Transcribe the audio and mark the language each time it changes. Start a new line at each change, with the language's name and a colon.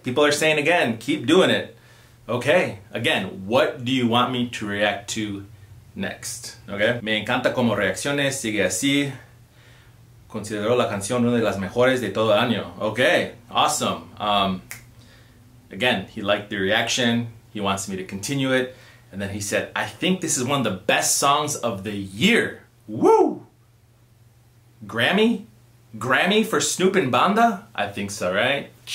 English: People are saying again, keep doing it. Okay, again, what do you want me to react to next, okay?
Spanish: Me encanta como reacciones, sigue así. Considero la canción una de las mejores de todo el año.
English: Okay, awesome. Again, he liked the reaction. He wants me to continue it. And then he said, I think this is one of the best songs of the year. Woo! Grammy for Snoop and Banda? I think so, right?